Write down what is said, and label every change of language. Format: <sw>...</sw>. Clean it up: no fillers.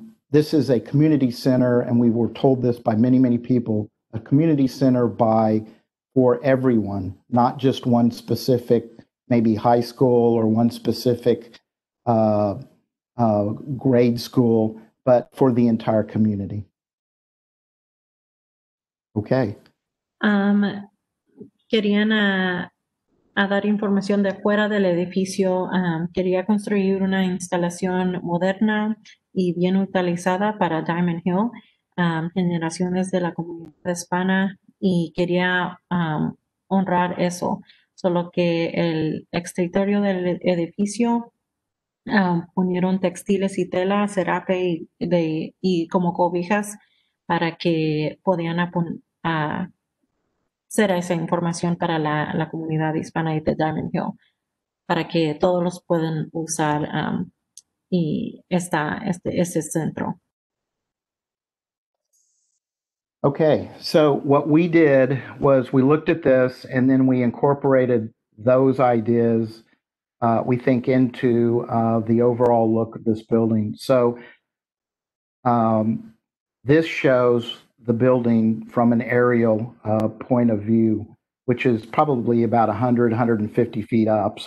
<en>This is a community center, and we were told this by many, many people, a community center for everyone, not just one specific, maybe high school or one specific grade school, but for the entire community. Okay.</en> <es>Querían a dar información de fuera del edificio. Quería construir una instalación moderna y bien utilizada para Diamond Hill, generaciones de la comunidad hispana, y quería honrar eso. Solo que el exterior del edificio pusieron textiles y tela, serape y como cobijas para que podían hacer esa información para la comunidad hispana y de Diamond Hill, para que todos los puedan usar y este centro.</es> <en>Okay, so what we did was we looked at this and then we incorporated those ideas, we think, into the overall look of this building. So this shows the building from an aerial point of view, which is probably about 100, 150 feet up.</en>